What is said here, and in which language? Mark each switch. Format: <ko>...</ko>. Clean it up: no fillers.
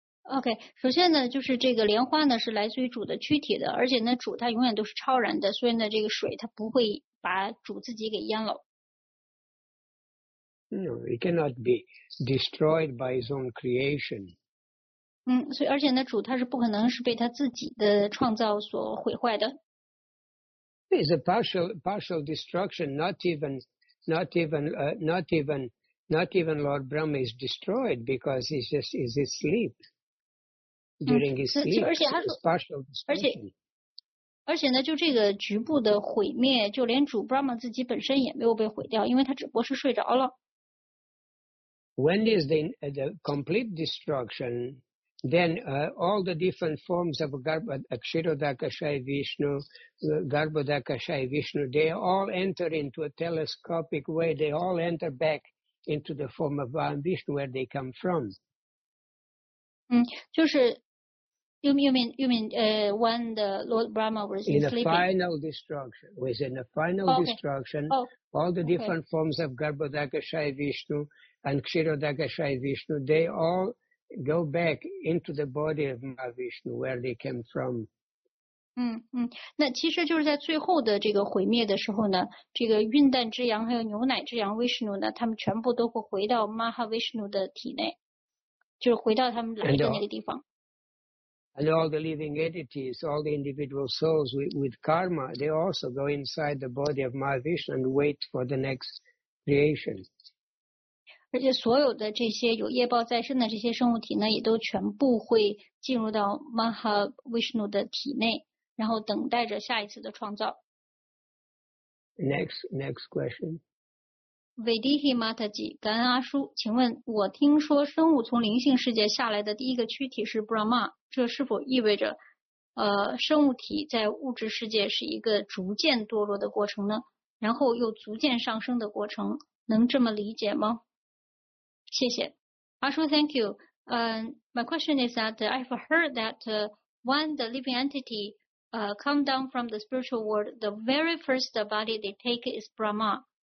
<en>Okay,</en> <zh>首先呢就是这个莲花呢是来自于主的躯体的，而且呢主他永远都是超然的，所以呢这个水它不会把主自己给淹了。</zh> <en>No, it cannot be destroyed by his own creation.</en> <zh>所以而且呢，主他是不可能是被他自己的创造所毁坏的。</zh> <en>It's a partial destruction. Not even Lord Brahma is destroyed because he's asleep during his sleep.</en> <zh>而且</zh> <en>partial destruction.</en> <zh>而且呢，就这个局部的毁灭，就连主 Brahma 自己本身也没有被毁掉，因为他只不过是睡着了。</zh> <en>When is the complete destruction? Then all the different forms of Garbha, Akshirodakshay Vishnu, Garbhodakshay Vishnu, they all enter into a telescopic way. They all enter back into the form of Vishnu where they come from.</en> <zh>就是</zh> <en>you mean when the Lord Brahma was in the final destruction, destruction, all the different forms of Garbhodakshay Vishnu. And Kshirodakshay Vishnu, they all go back into the body of Mahavishnu where they came from.</en> <zh>那其实就是在最后的这个毁灭的时候呢，这个孕蛋之羊还有牛奶之羊 Vishnu 呢，他们全部都会回到 Mahavishnu 的体内，就是回到他们来的那个地方。</zh> <en>And all the living entities, all the individual souls with karma, they also go inside the body of Mahavishnu and wait for the next creation.</en> <zh>而且所有的这些有业报在身的这些生物体呢，也都全部会进入到 Mahavishnu 的体内，然后等待着下一次的创造。</zh> <en>Next question.</en> <zh>Vedihi Mataji, 感恩阿叔，请问我听说生物从灵性世界下来的第一个躯体是 Brahma， 这是否意味着，生物体在物质世界是一个逐渐堕落的过程呢？然后又逐渐上升的过程，能这么理解吗？谢谢。</zh> <en>Ashu, thank you. My question is that I've heard that when the living entity come down from the spiritual world, the very first body they take is Brahma.</en>